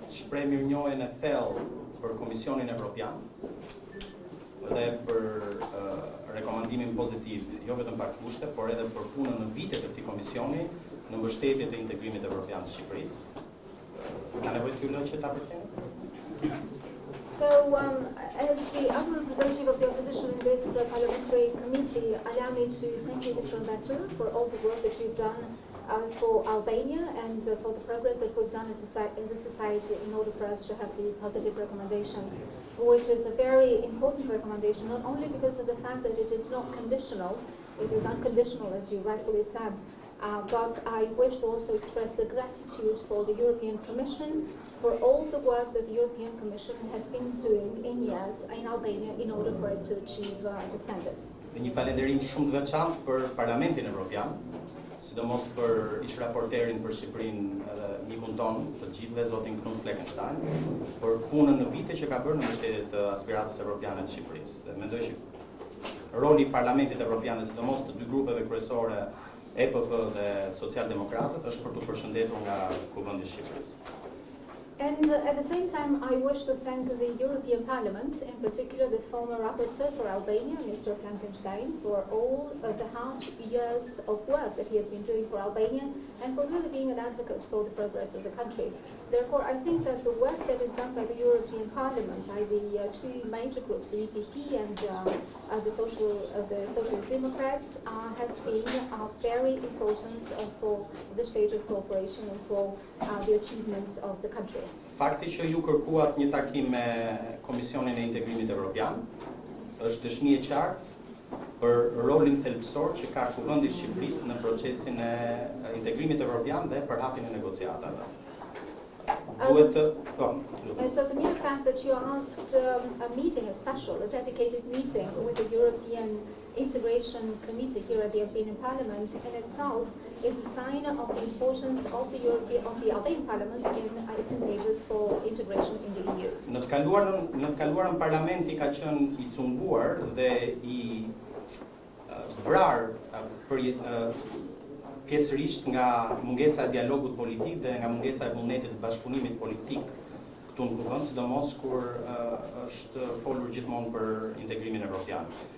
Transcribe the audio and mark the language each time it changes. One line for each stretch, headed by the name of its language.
Albanian: Shpreh mirënjohjen e thellë për Komisionin Evropian dhe për rekomandimin pozitiv, jo vetëm pa kushte, por edhe për punën në vitet e këtij komisioni në mbështetje të integrimit evropian të Shqipërisë. Ka nevojë t'ju lënë që ta përqen?
English: So, as the other representative of the opposition in this parliamentary committee, allow me to thank you, Mr. Ambassador, for all the work that you've done for Albania and for the progress that we've done as a society in order for us to have the positive recommendation, which is a very important recommendation, not only because of the fact that it is not conditional, it is unconditional, as you rightfully said, but I wish to also express the gratitude for the European Commission for all the work that the European Commission has been doing in years in Albania in order for it to achieve the standards.
Albanian: Dhe një falënderim shumë të veçantë për Parlamentin Evropian, sidomos për ish raporterin për Shqipërinë, mikun ton, të gjithëve, zotin Knut Fleckenstein, për punën në vite që ka bërë në mbështetje të aspiratës evropiane të Shqipërisë. Dhe mendoj që roli i Parlamentit Evropian, sidomos të dy grupeve kryesore, EPP dhe Socialdemokratët, është për të përshëndetur nga Kuvendi i Shqipërisë.
English: And at the same time, I wish to thank the European Parliament, in particular the former rapporteur for Albania, Mr. Frankenstein, for all the hard years of work that he has been doing for Albania and for really being an advocate for the progress of the country. Therefore, I think that the work that is done by the European Parliament, by the two major groups, the EPP and the Social Democrats, has been very important for the stage of cooperation and for the achievements of the country.
Albanian: Fakti që ju kërkuat një takim me Komisionin e Integrimit Evropian është dëshmi e qartë për rolin thelbësor që ka Kuvendi i Shqipërisë në procesin e Integrimit Evropian dhe për hapjen e negociatave.
English: So the mere fact that you asked a meeting, a dedicated meeting with the European Integration Committee here at the European Parliament in itself is a sign of the importance of the European Parliament in its endeavors for integration in the EU.
Albanian: Në të kaluarën parlamenti ka qenë i cunguar dhe i vrar për pjesërisht nga mungesa e dialogut politik dhe nga mungesa e vullnetit të bashkëpunimit politik këtu në Kuvend, sidomos kur është folur gjithmonë për integrimin evropian.